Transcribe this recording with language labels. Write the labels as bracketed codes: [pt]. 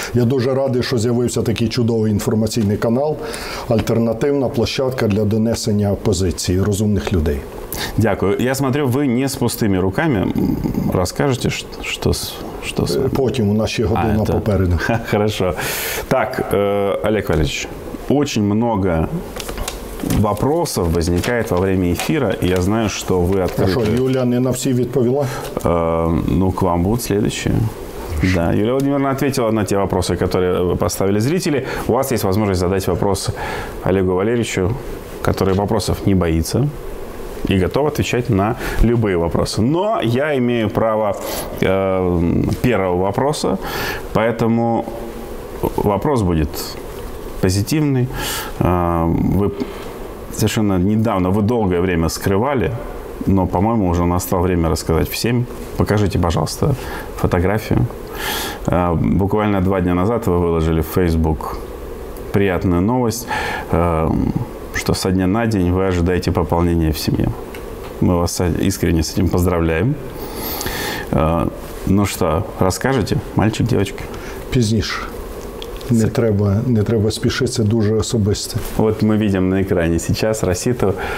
[uk] Я дуже радий, що з'явився такий чудовий інформаційний канал, альтернативна площадка для донесення позиції розумних людей. Дякую. [ru] Я смотрю, [uk] ви не з пустими руками. Розкажете, що з вами? Потім, у нас ще година попереду. [ru] Хорошо. Так, Олег Валерійович, [uk] дуже багато [ru] вопросов возникает во время эфира, и я знаю, что вы открыты. Хорошо, Юля не на все ответила? Ну, к вам будут следующие. Да, Юлия Владимировна ответила на те вопросы, которые поставили зрители. У вас есть возможность задать вопрос Олегу Валерьевичу, который вопросов не боится и готов отвечать на любые вопросы. Но я имею право первого вопроса, поэтому вопрос будет позитивный. Вы совершенно недавно, вы долгое время скрывали, но, по-моему, уже настало время рассказать всем. Покажите, пожалуйста, фотографию. Буквально два дня назад вы выложили в Facebook приятную новость, что со дня на день вы ожидаете пополнения в семье. Мы вас искренне с этим поздравляем. Ну что, расскажете, мальчик, девочки? [uk] Пізніше. Не треба спешить, це дуже особисте. От ми бачимо на екрані зараз Расіту.